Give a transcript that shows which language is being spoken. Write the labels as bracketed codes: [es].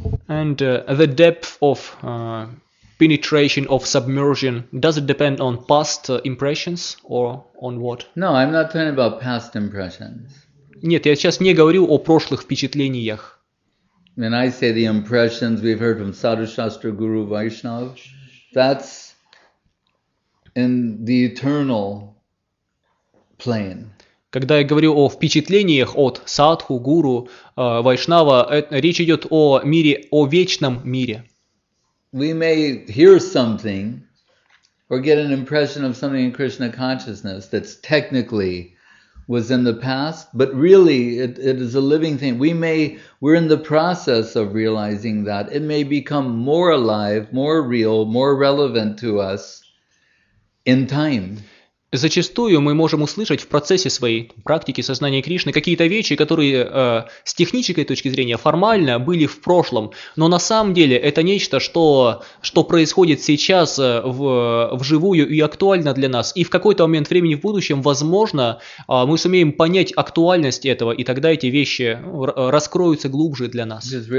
[en] And the depth of penetration of submersion, does it depend on past impressions or on what? No, I'm not talking about past impressions. [ru] Нет, я сейчас не говорю о прошлых впечатлениях. [en] When I say the impressions we've heard from Sadhu Shastra Guru Vaishnav, that's in the eternal plane. [ru] Когда я говорю о впечатлениях от садху, гуру, вайшнава, речь идет о мире, о вечном мире. [en] We may hear something or get an impression of something in Krishna consciousness that's technically was in the past, but really it is a living thing. We're in the process of realizing that it may become more alive, more real, more relevant to us in time. [ru] Зачастую мы можем услышать в процессе своей практики сознания Кришны какие-то вещи, которые с технической точки зрения формально были в прошлом, но на самом деле это нечто, что происходит сейчас вживую и актуально для нас. И в какой-то момент времени в будущем, возможно, мы сумеем понять актуальность этого, и тогда эти вещи раскроются глубже для нас.